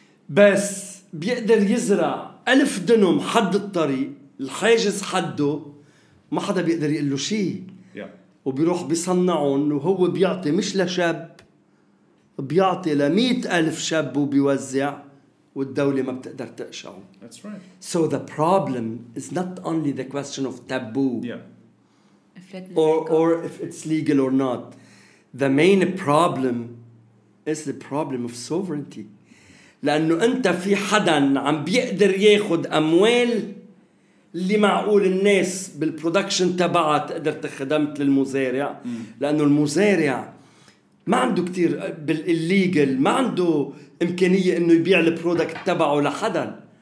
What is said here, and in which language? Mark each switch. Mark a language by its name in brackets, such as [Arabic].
[Arabic] بس بيقدر يزرع 1000 دنم حد الطريق، الحاجز حده، ما حدا بيقدر يقول له شيء. وبيروح بيصنعون، وهو بيعطي مش لشاب، بيعطي لمئة ألف شاب وبيوزع، والدولة ما بتقدر تقشعه. [English] That's right. So the problem is not only the question of taboo. Yeah. Or if it's legal or not. The main problem is the problem of sovereignty. [Arabic] لأنه أنت في حدا عم بيقدر ياخد أموال اللي معقول الناس بالبرودكشن تبعها تقدر تخدمت للمزارع. لأنه المزارع ما عنده كتير بالإليجل، ما عنده إمكانية إنه يبيع البرودكت تبعه لحدا.